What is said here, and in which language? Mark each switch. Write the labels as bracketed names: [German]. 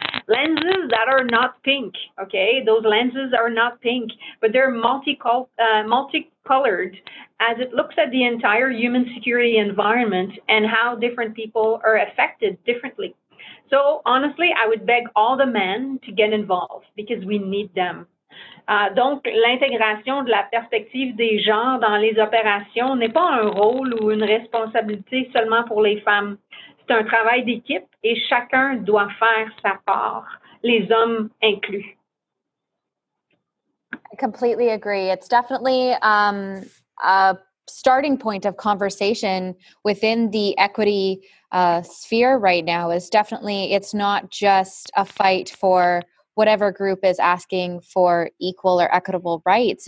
[English] Lenses that are not pink, okay? Those lenses are not pink, but they're multicolored as it looks at the entire human security environment and how different people are affected differently. So honestly, I would beg all the men to get involved because we need them. [French] Donc, l'intégration de la perspective des genres dans les opérations n'est pas un rôle ou une responsabilité seulement pour les femmes. C'est un travail d'équipe et chacun doit faire sa part, les hommes inclus. [English] I completely agree. It's definitely a starting point of conversation within the equity sphere right now. Is definitely, it's not just a fight for whatever group is asking for equal or equitable rights.